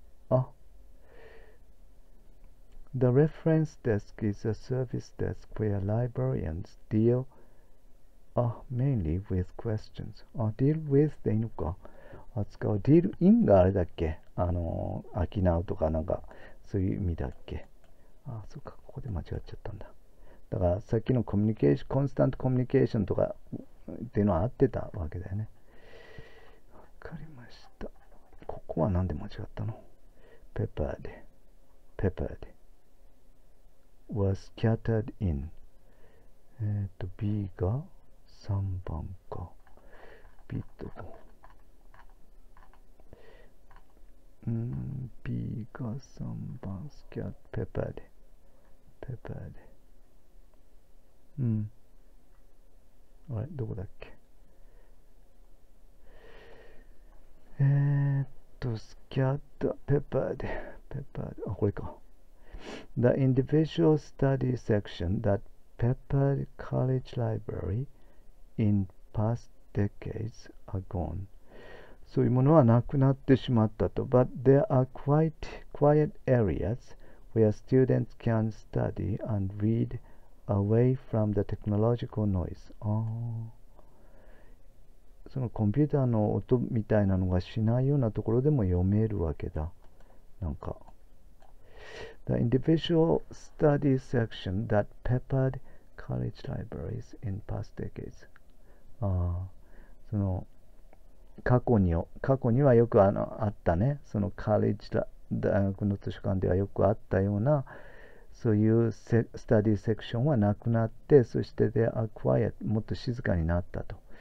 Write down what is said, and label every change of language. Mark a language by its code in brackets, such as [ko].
[en] あ、The reference desk is a service desk where librarians deal、mainly with questions. Deal with [ja] でいいのか。扱う。 [en] Deal in [ja] があれだっけ、飽きなうとかなんか、そういう意味だっけ。あ、そっか、ここで間違っちゃったんだ。だから、さっきのコミュニケーション、コンスタントコミュニケーションとかっていうのは合ってたわけだよね。わかりました。ここはなんで間違ったの？ペッパーで。ペッパーで。 [en] was scattered in、 [ja] B が3番か、 B とこ、B が3番、 [en] scattered、 peppered、 [ja] あれ、どこだっけ、 [en] scattered、 peppered、 peppered、 [ja] あ、これか。 [en] The individual study section that peppered college library in past decades are gone. [ja] そういうものはなくなってしまったと。 [en] But there are quite quiet areas where students can study and read away from the technological noise. [ja] ああ。そのコンピューターの音みたいなのがしないようなところでも読めるわけだ。なんか。 [en] The individual study section that peppered college libraries in past decades. [ja] その過去にはよくあったね、そのカレッジ大学の図書館ではよくあったような、そういうスタディセクションはなくなって、そしてで [en] アクワイエット、 [ja] もっと静かになったと。